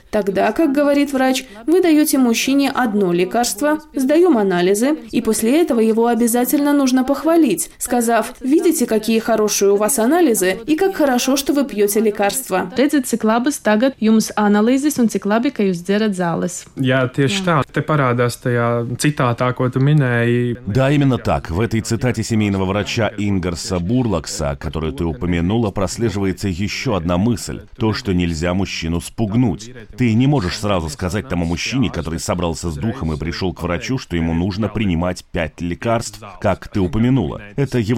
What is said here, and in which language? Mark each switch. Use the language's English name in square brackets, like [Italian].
[Russian] Тогда, как говорит врач, вы даете мужчине одно лекарство, сдаем анализы, и после этого его обязательно нужно похвалить, сказать: «Видите, какие хорошие у вас анализы, и как хорошо, что вы пьете лекарства». [Latvian] Redzi, cik labas tagad jums analīzes un cik labi, ka jūs dzerat zāles. Jā, tieši tā. Te parādās tajā citātā, ko tu minēji. [Russian] Да, именно так. В этой цитате семейного врача Ингарса Бурлакса, которую ты упомянула, прослеживается еще одна мысль. То, что нельзя мужчину спугнуть. Ты не можешь сразу сказать тому мужчине, который собрался с духом и пришел к врачу, что ему нужно принимать 5 лекарств, как ты упомянула. Это его